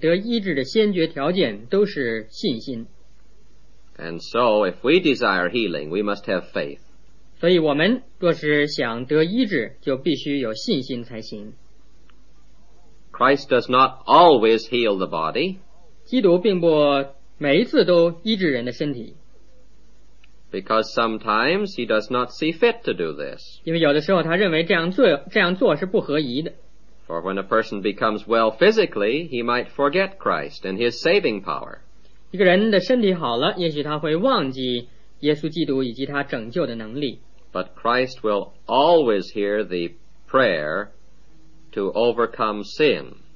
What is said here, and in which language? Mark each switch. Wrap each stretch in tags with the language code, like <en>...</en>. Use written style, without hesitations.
<zh>不论在心灵或身体哪一方面得医治的先决条件都是信心。</zh> <en>And so if we desire healing, we must have faith.</en> <zh>所以我们若是想得医治，就必须有信心才行。</zh> <en>Christ does not always heal the body.</en> <zh>基督并不每一次都医治人的身体。</zh> <en>Because sometimes he does not see fit to do this.</en> <zh>因为有的时候他认为这样做是不合宜的。</zh> <en>For when a person becomes well physically, he might forget Christ and his saving power.</en> <zh>一个人的身体好了，也许他会忘记耶稣基督以及他拯救的能力。</zh> <en>But Christ will always hear the prayer to overcome sin.</en>